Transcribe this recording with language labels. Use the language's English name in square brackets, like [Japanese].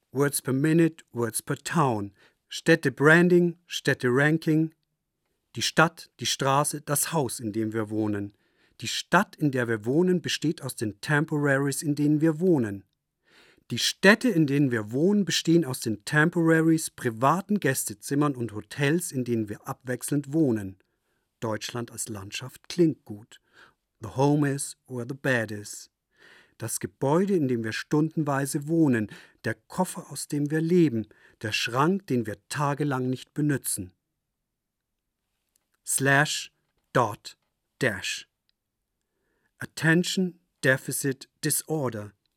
[English] Words per minute, words per town. [German] Städte-Branding, Städte-Ranking. Die Stadt, die Straße, das Haus, in dem wir wohnen. Die Stadt, in der wir wohnen, besteht aus den Temporaries, in denen wir wohnen. Die Städte, in denen wir wohnen, bestehen aus den Temporaries, privaten Gästezimmern und Hotels, in denen wir abwechselnd wohnen. Deutschland als Landschaft klingt gut. [English] The home is where the bed is. [German] Das Gebäude, in dem wir stundenweise wohnen. Der Koffer, aus dem wir leben. Der Schrank, den wir tagelang nicht benutzen. [English] / /. Attention Deficit Disorder.